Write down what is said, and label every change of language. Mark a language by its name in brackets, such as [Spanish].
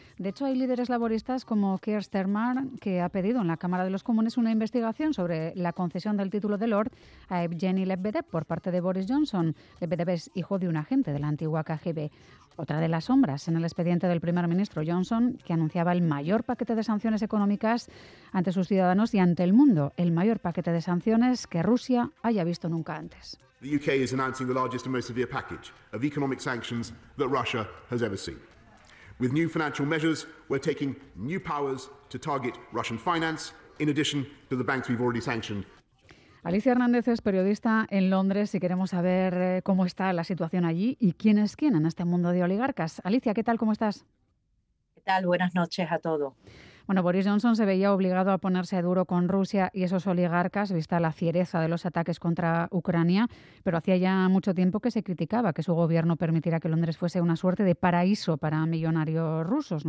[Spanish] De hecho, hay líderes laboristas como Keir Starmer, que ha pedido en la Cámara de los Comunes una investigación sobre la concesión del título de Lord a Evgeny Lebedev por parte de Boris Johnson. Lebedev es hijo de un agente de la antigua KGB. Otra de las sombras en el expediente del primer ministro Johnson, que anunciaba el mayor paquete de sanciones económicas ante sus ciudadanos y ante el mundo, el mayor paquete de sanciones que Rusia haya visto nunca antes. [English] The UK is announcing the largest and most severe package of economic sanctions that Russia has ever seen. With new financial measures, we're taking new powers to target Russian finance, in addition to the banks we've already sanctioned. [Spanish] Alicia Hernández es periodista en Londres y queremos saber cómo está la situación allí y quién es quién en este mundo de oligarcas. Alicia, ¿qué tal? ¿Cómo estás? ¿Qué tal? Buenas noches a todos. Bueno, Boris Johnson se veía obligado a ponerse duro con Rusia y esos oligarcas, vista la fiereza de los ataques contra Ucrania, pero hacía ya mucho tiempo que se criticaba que su gobierno permitiera que Londres fuese una suerte de paraíso para millonarios rusos.